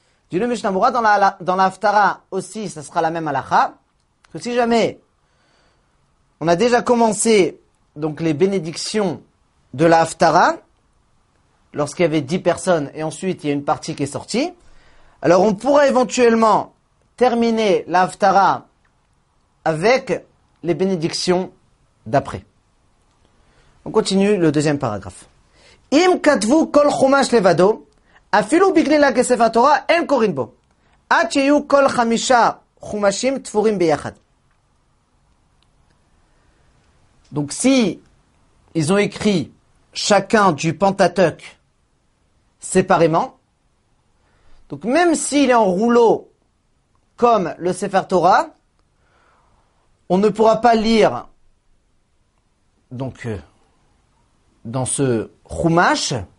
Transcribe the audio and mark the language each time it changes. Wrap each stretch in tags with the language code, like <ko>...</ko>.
<fr>Dit le Mishnah Moura, dans la haftara aussi, ça sera la même halakha, que si jamais on a déjà commencé donc les bénédictions de la haftara, lorsqu'il y avait 10 personnes et ensuite il y a une partie qui est sortie, alors on pourra éventuellement terminer la haftara avec les bénédictions d'après. On continue le deuxième paragraphe.</fr> <he>Im katvu kol chumash levado. אפילו בגלל כסף התורה אין קורין בו. עד שיהיו כל חמישה חומשים תפורים ביחד.</he> <fr>Donc si ils ont écrit chacun du Pentateuque séparément, donc même s'il est en rouleau comme le Sefer Torah, on ne pourra pas lire donc dans ce chumash</fr>